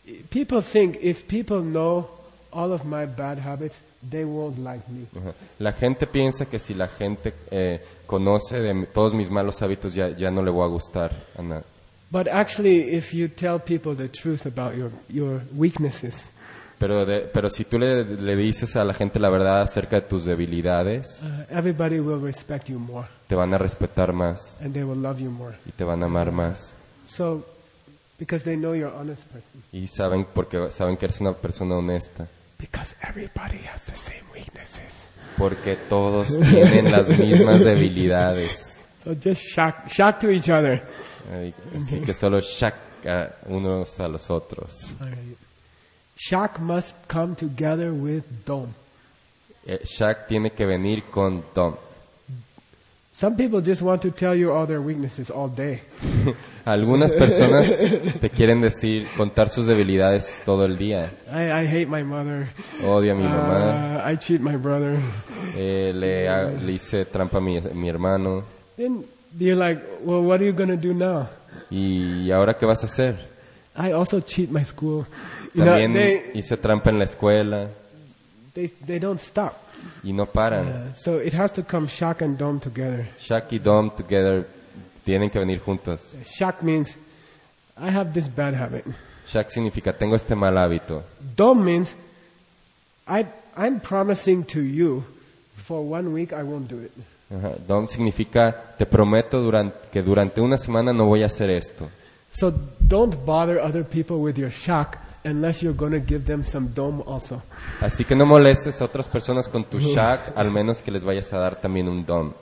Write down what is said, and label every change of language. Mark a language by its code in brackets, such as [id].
[en] People think if people know all of my bad habits, they won't like me. [es] La gente piensa que si la gente conoce de todos mis malos hábitos, ya no le voy a gustar. Ana. [en] But actually, if you tell people the truth about your weaknesses. [es] Pero si tú le dices a la gente la verdad acerca de tus debilidades, [en] everybody will respect you more. [es] Te van a respetar más. [en] And they will love you more. [es] Y te van a amar más. [en] So, because they know you're an honest person. [es] Y saben que eres una persona honesta. [en] Because everybody has the same weaknesses. [es] Porque todos tienen las mismas debilidades. [en] So just shock to each other. [es] Así que solo shock unos a los otros. [en] Shock must come together with dom. [es] Shock tiene que venir con dom. [en] Some people just want to tell you all their weaknesses all day. [es] Algunas personas te quieren decir contar sus debilidades todo el día. [en] I hate my mother. [es] Odio a mi mamá. [en] I cheat my brother. [es] Le hice trampa a mi hermano. [en] Then you're like, well, what are you gonna do now? [es] ¿Y ahora qué vas a hacer? [en] I also cheat my school. [es] También hice trampa en la escuela. [en] they don't stop. [es] Y no paran. [en] So it has to come Shak and Dom together. [es] Shak y Dom together tienen que venir juntos. [en] Shak means I have this bad habit. [es] Shak significa tengo este mal hábito. [en] Dom means I'm promising to you for 1 week I won't do it. [es] Dom significa te prometo durante una semana no voy a hacer esto. [en] So don't bother other people with your shak unless you're going to give them some dom also. [es] Así que no molestes a otras personas con tu shak al menos que les vayas a dar también un dom.